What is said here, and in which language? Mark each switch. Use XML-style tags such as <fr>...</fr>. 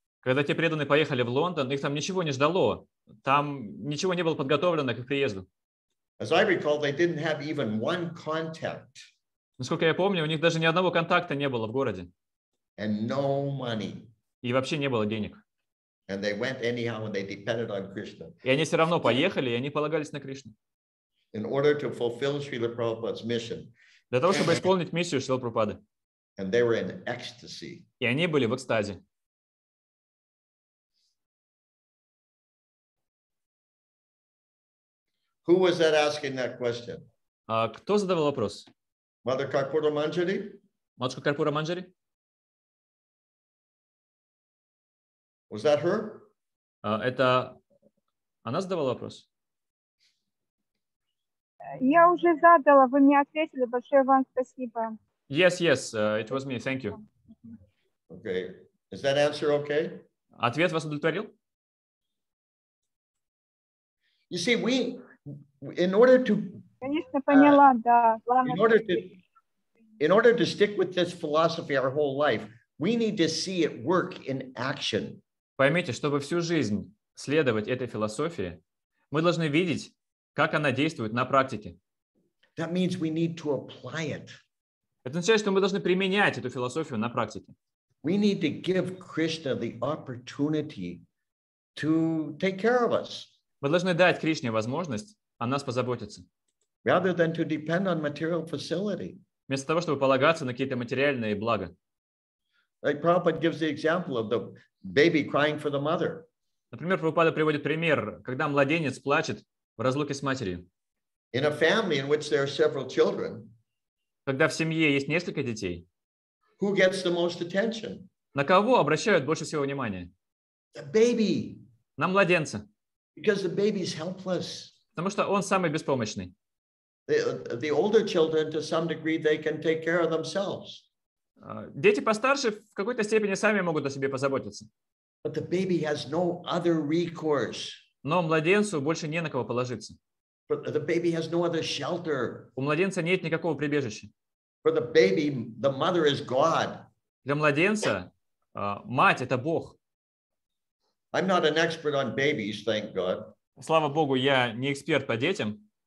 <ru>Когда те преданные поехали в Лондон, их там ничего не ждало. Там ничего не было подготовлено к их приезду.</ru> <en>As I recall, they didn't have even one contact.</en> <ru>Насколько я помню, у них даже ни одного контакта не было в городе.</ru> <en>And no money.</en> <ru>И вообще не было денег.</ru> <en>And they went anyhow and they depended on Krishna.</en> <ru>И они все равно поехали, и они полагались на Кришну.</ru> <en>In order to fulfill Srila Prabhupada's mission.</en> <ru>Для того, чтобы исполнить миссию Шрилы Прабхупады.</ru> <en>And they were in ecstasy.</en> <ru>И они были в экстазе.</ru> <en>Who was that asking that question?</en> <ru>Кто задавал вопрос?</ru> <en>Mother Karpura Manjari?</en> <ru>Матушка Карпура Манджари?</ru> <en>Was that her?</en> <ru>Это она задавала вопрос? Я уже задала, вы мне ответили. Большое вам спасибо.</ru> <en>Yes, yes, it was me. Thank you. Okay. Is that answer okay?</en> <ru>Ответ вас удовлетворил?</ru> <en>You see, we... In order to,</en> <ru>конечно, поняла, да.</ru> <en>In order to stick with this philosophy our whole life, we need to see it work in action.</en> <ru>Поймите, чтобы всю жизнь следовать этой философии, мы должны видеть, как она действует на практике.</ru> <en>That means we need to apply it.</en> <ru>Это означает, что мы должны применять эту философию на практике.</ru> <en>We need to give Krishna the opportunity to take care of us.</en> <ru>Мы должны дать Кришне возможность о нас позаботиться.</ru> <en>Rather than to depend on material facility.</en> <ru>Вместо того, чтобы полагаться на какие-то материальные блага.</ru> <en>Like Prabhupada gives the example of the baby crying for the mother.</en> <ru>Например, Прабхупада приводит пример, когда младенец плачет в разлуке с матерью.</ru> <en>In a family in which there are several children.</en> <ru>Когда в семье есть несколько детей.</ru> <en>Who gets the most attention?</en> <ru>На кого обращают больше всего внимания?</ru> <en>The baby.</en> <ru>На младенца.</ru> <en>Because the baby's helpless.</en> <ru>Потому что он самый беспомощный.</ru> <en>The older children, to some degree, they can take care of themselves.</en> <ru>Дети постарше в какой-то степени сами могут о себе позаботиться.</ru> <en>But the baby has no other recourse.</en> <ru>Но младенцу больше не на кого положиться.</ru> <en>But the baby has no other shelter.</en> <ru>У младенца нет никакого прибежища.</ru> <en>For the baby, the mother is God.</en> <ru>Для младенца мать – это Бог.</ru> <en>I'm not an expert on babies, thank God.</en> <ru>Слава Богу, я не эксперт по детям.</ru>